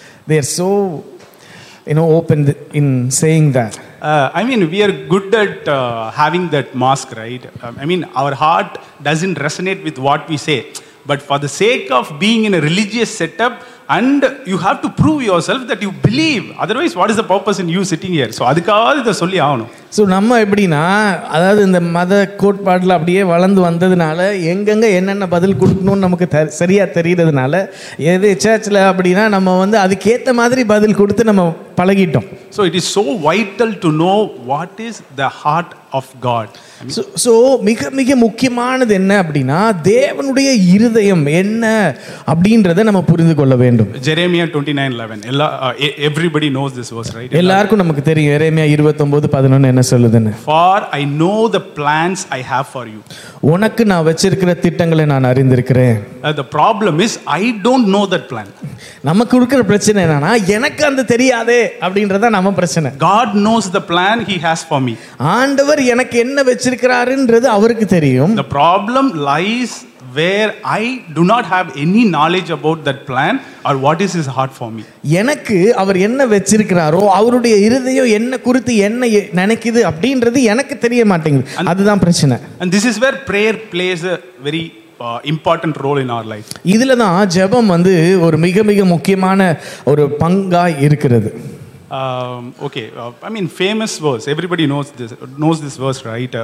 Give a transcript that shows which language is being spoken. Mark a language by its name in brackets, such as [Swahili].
[English] They are so, you know, open in saying that. I mean, we are good at having that mask, right? I mean, our heart doesn't resonate with what we say. But for the sake of being in a religious setup, and you have to prove yourself that you believe. Otherwise, what is the purpose in you sitting here? So, [Tamil] அதுக்காவது இதை சொல்லி ஆகணும். So நம்ம எப்படின்னா, அதாவது இந்த மத கோட்பாடில் அப்படியே வளர்ந்து வந்ததுனால எங்கெங்கே என்னென்ன பதில் கொடுக்கணும்னு நமக்கு சரியாக தெரியறதுனால எது சர்ச்சில் அப்படின்னா நம்ம வந்து அதுக்கேற்ற மாதிரி பதில் கொடுத்து நம்ம பழகிட்டோம். [English] So it is so vital to know what is the heart of God. [Tamil] So மிக மிக முக்கியமானது என்ன அப்படின்னா தேவனுடைய இருதயம் என்ன அப்படின்றத நம்ம புரிந்து கொள்ள வேண்டும். [English] Jeremiah 29:11 எல்லா everybody knows this verse right, [Tamil] எல்லாருக்கும் நமக்கு தெரியும். ஜெரேமியா 29:11 என்ன சொல்லுதுன்னு, [English] for I know the plans I have for you, [Tamil] உனக்கு நான் வச்சிருக்கிற திட்டங்களை நான் அறிந்திருக்கிறேன். [English] The problem is I don't know that plan. [Tamil] நமக்கு இருக்கிற பிரச்சனை என்னன்னா எனக்கு அந்த தெரியாதே அப்படின்றதான் நம்ம பிரச்சனை. [English] God knows the plan he has for me. [Tamil] ஆண்டவர் எனக்கு என்ன வச்சிருக்கிறாருன்றது அவருக்கு தெரியும். [English] The problem lies where I do not have any knowledge about that plan or what is his heart for me. [Tamil] எனக்கு அவர் என்ன வச்சிருக்கிறாரோ அவருடைய இருதயம் என்ன குறித்து என்ன நினைக்குது அப்படின்றது எனக்கு தெரிய மாட்டேங்குது. அதுதான் பிரச்சனை. [English] And this is where prayer plays a very important role in our life. [Tamil] இதுல தான் ஜெபம் வந்து ஒரு மிக மிக முக்கியமான ஒரு பங்கா இருக்கிறது. [English] Okay, I mean famous verse, everybody knows this verse, right?